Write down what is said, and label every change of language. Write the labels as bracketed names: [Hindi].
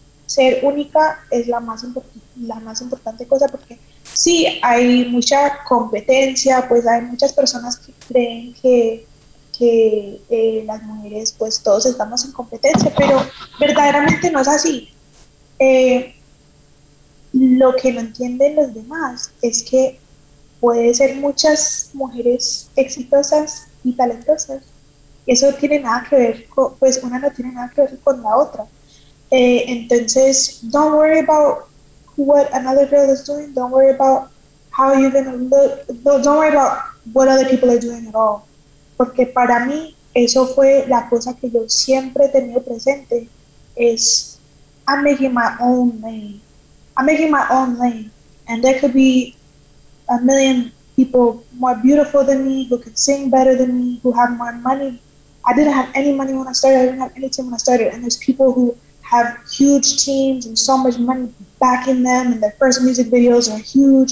[Spanish] Ser única es la más importante cosa, porque sí, hay mucha competencia, pues hay muchas personas que creen que las mujeres, pues todos estamos en competencia, pero verdaderamente no es así. Lo que no entienden los demás es que puede ser muchas mujeres exitosas y talentosas. Eso tiene nada que ver con, pues una no tiene nada que ver con la otra. Entonces, [English] don't worry about what another girl is doing. Don't worry about how you're going to look. Don't worry about what other people are doing at all. [Spanish] Porque para mí, eso fue la cosa que yo siempre he tenido presente. [English] Es, I'm making my own name. I'm making my own lane, and there could be a million people more beautiful than me, who could sing better than me, who have more money. I didn't have any money when I started. I didn't have any team when I started. And there's people who have huge teams and so much money backing them, and their first music videos are huge.